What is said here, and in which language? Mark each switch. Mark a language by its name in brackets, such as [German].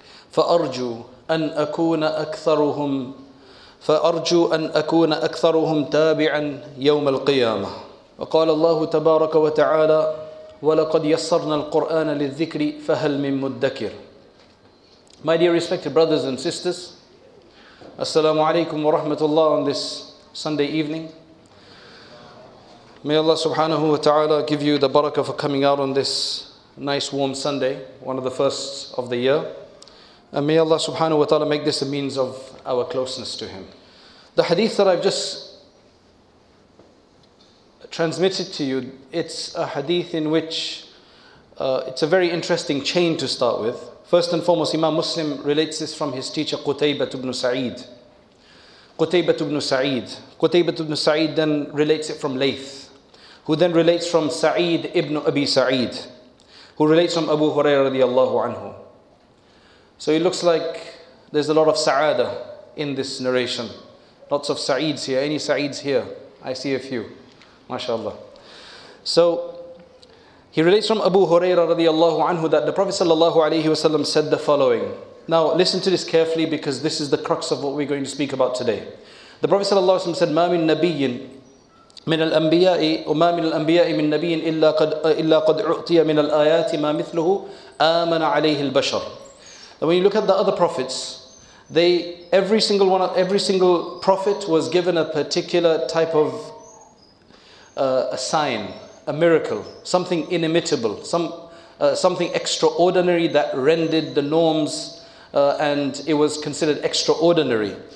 [Arabic] فأرجو أن أكون أكثرهم فأرجو أن أكون أكثرهم تابعا يوم القيامة وقال الله تبارك وتعالى ولقد يسرنا القرآن للذكر فهل من مدكر [English] My dear respected brothers and sisters [Arabic] السلام عليكم ورحمة الله [English] on this Sunday evening May Allah subhanahu wa ta'ala give you the barakah for coming out on this nice warm Sunday one of the first of the year And may Allah subhanahu wa ta'ala make this a means of our closeness to Him. The hadith that I've just transmitted to you, it's a hadith in which it's a very interesting chain to start with. First and foremost, Imam Muslim relates this from his teacher Qutaybah ibn Sa'id. Qutaybah ibn Sa'id then relates it from Layth, who then relates from Sa'id ibn Abi Sa'id, who relates from Abu Hurairah radiallahu anhu. So it looks like there's a lot of sa'ada in this narration. Lots of sa'eeds here. Any sa'eeds here? I see a few. MashaAllah. So he relates from Abu Hurairah radiallahu anhu that the Prophet sallallahu alayhi wasallam said the following. Now listen to this carefully because this is the crux of what we're going to speak about today. The Prophet sallallahu alayhi wasallam said, [Arabic] ما من نبي من الأنبياء وما من الأنبياء من نبي إلا قد أعطي من الآيات ما مثله آمن عليه البشر. [English] And when you look at the other prophets, every single prophet was given a particular type of a sign, a miracle, something inimitable, something extraordinary that rendered the norms and it was considered extraordinary.